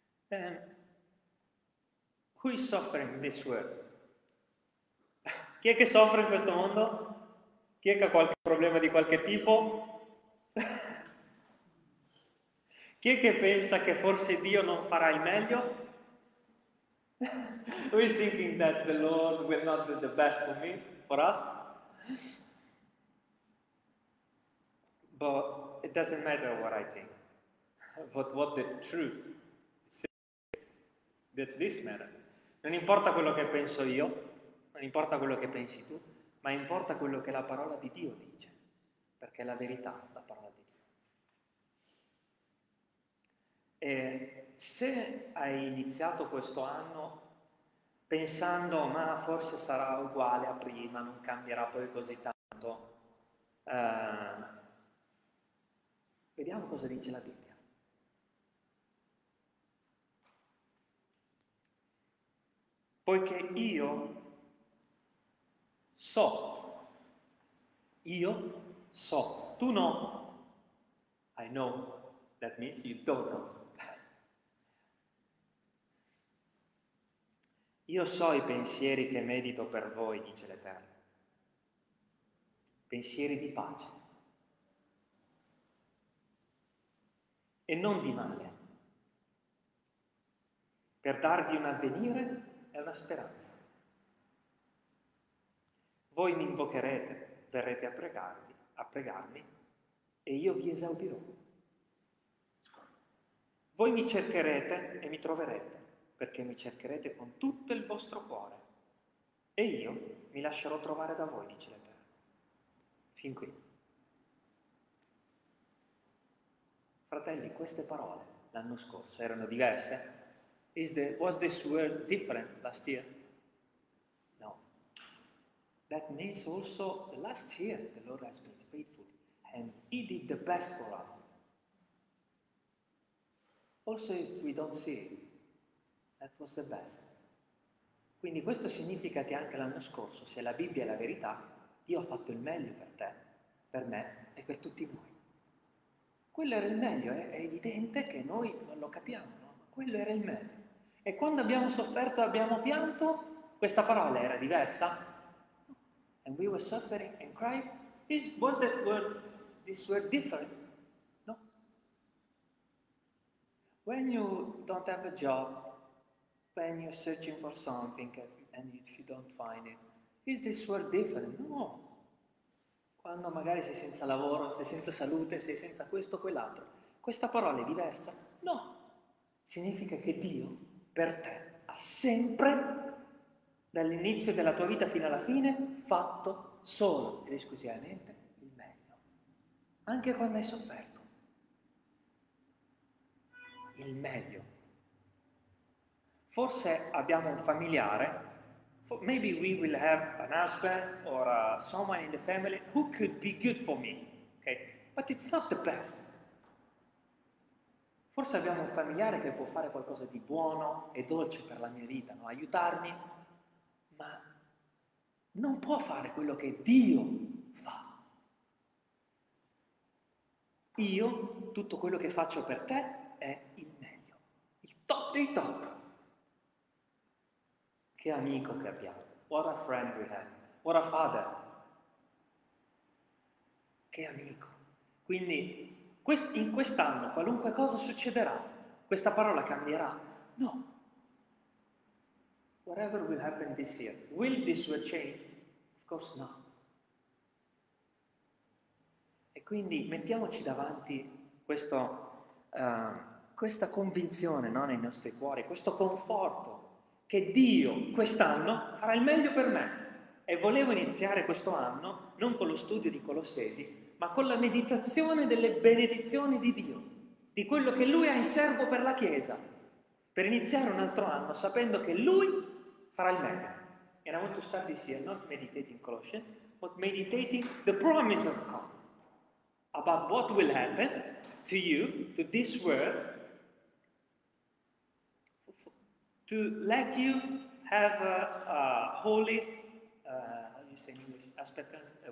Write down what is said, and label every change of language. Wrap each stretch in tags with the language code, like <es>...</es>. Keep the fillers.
<en>Um, who is suffering in this world?</en> <it>Chi è che soffre in questo mondo? Chi è che ha qualche problema di qualche tipo? Chi è che pensa che forse Dio non farà il meglio?</it> <en>Who is thinking that the Lord will not do the best for me, for us? but it doesn't matter what I think, but what the truth says that this matters.</en> <it>Non importa quello che penso io, non importa quello che pensi tu, ma importa quello che la parola di Dio dice, perché è la verità la parola di Dio. E se hai iniziato questo anno pensando ma forse sarà uguale a prima, non cambierà poi così tanto, eh, Vediamo cosa dice la Bibbia. Poiché io so, io so, tu no.</it> <en>I know, that means you don't know.</en> <it>Io so i pensieri che medito per voi, dice l'Eterno. Pensieri di pace, e non di male, per darvi un avvenire e una speranza. Voi mi invocherete, verrete a pregarvi, a pregarmi, e io vi esaudirò. Voi mi cercherete e mi troverete, perché mi cercherete con tutto il vostro cuore, e io mi lascerò trovare da voi, dice l'Eterno. Fin qui. Fratelli, queste parole l'anno scorso erano diverse?</it> <en>The, was this word different last year? No. That means also last year the Lord has been faithful and He did the best for us. Also if we don't see it, that was the best.</en> <it>Quindi questo significa che anche l'anno scorso, se la Bibbia è la verità, Dio ha fatto il meglio per te, per me e per tutti noi quello era il meglio, è, è, evidente che noi non lo capiamo, no? ma quello era il meglio. E quando abbiamo sofferto e abbiamo pianto, questa parola era diversa.</it> <en>And we were suffering and crying. Is, was that word, this word different? No. When you don't have a job, when you're searching for something and if you don't find it, is this word different?</en> <it>No quando magari sei senza lavoro, sei senza salute, sei senza questo o quell'altro. Questa parola è diversa? No, significa che Dio per te ha sempre, dall'inizio della tua vita fino alla fine, fatto solo ed esclusivamente il meglio, anche quando hai sofferto. Il meglio. Forse abbiamo un familiare</it> <en>maybe we will have an husband or uh, someone in the family who could be good for me, okay? But it's not the best.</en> <it>Forse abbiamo un familiare che può fare qualcosa di buono e dolce per la mia vita, no? aiutarmi, ma non può fare quello che Dio fa. Io, tutto quello che faccio per te è il meglio, il top dei top. Che amico che abbiamo.</it> <en>What a friend we have. What a father.</en> <it>Che amico. Quindi quest- in quest'anno qualunque cosa succederà, questa parola cambierà? No.</it> <en>Whatever will happen this year, will this will change? Of course not.</en> <it>E quindi mettiamoci davanti questo, eh, questa convinzione no, nei nostri cuori, questo conforto che Dio quest'anno farà il meglio per me. E volevo iniziare questo anno non con lo studio di Colossesi, ma con la meditazione delle benedizioni di Dio, di quello che Lui ha in serbo per la Chiesa, per iniziare un altro anno sapendo che Lui farà il meglio.</it> <en>And I want to start this year not meditating Colossians, but meditating the promise of God about what will happen to you, to this world, to let you have a, a holy, uh, how do you say in English, Aspectance?</en>